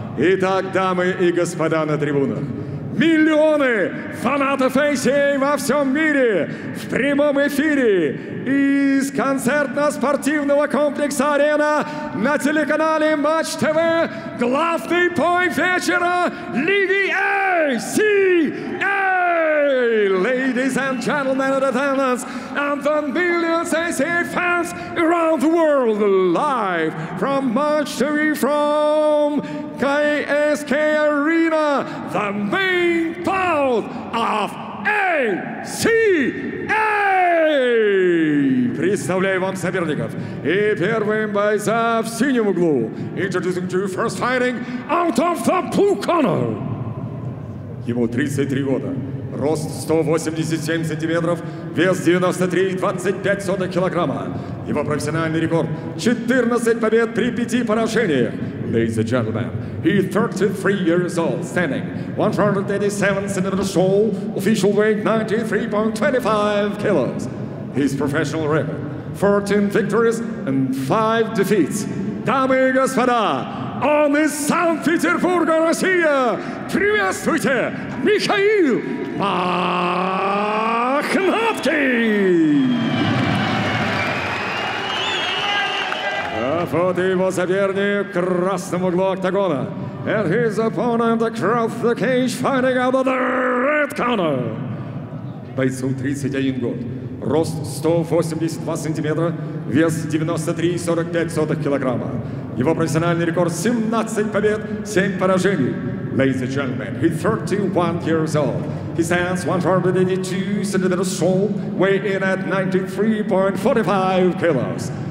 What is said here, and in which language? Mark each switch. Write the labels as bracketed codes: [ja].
[ru] Итак, дамы и господа на трибунах, миллионы фанатов AJA во всем мире в прямом эфире из концертно-спортивного комплекса «Арена» на телеканале «Матч ТВ» главный бой вечера Лиги ACA! [en] Ladies and gentlemen in attendance and the millions of ACA fans around the world live from March to be from KSK Arena, the main crowd of ACA! [ru] Представляю вам соперников. И первым бойца в синем углу. [en] Introducing to you first fighting out of the blue corner. [ru] Ему 33 года. Рост 187 сантиметров, вес 93,25 килограмма. Его профессиональный рекорд 14 побед при 5 поражениях. [en] Ladies and gentlemen, he 33 years old, standing 187 centimeters tall, official weight 93.25 kilos. His professional record 14 victories and 5 defeats. [ru] Дамы и господа, он из Санкт-Петербурга, Россия. Приветствуйте, Михаил Махнаткин! А вот его соперник в красном углу октагона. [en] And his opponent across the cage fighting out of the red corner. [ru] Бойцу 31 год. Рост 182 сантиметра, вес 93,45 килограмма. Его профессиональный рекорд 17 побед, 7 поражений. [en] Ladies and gentlemen, he's 31 years old. He stands 182 centimeters tall, weighing at 93.45 kilos.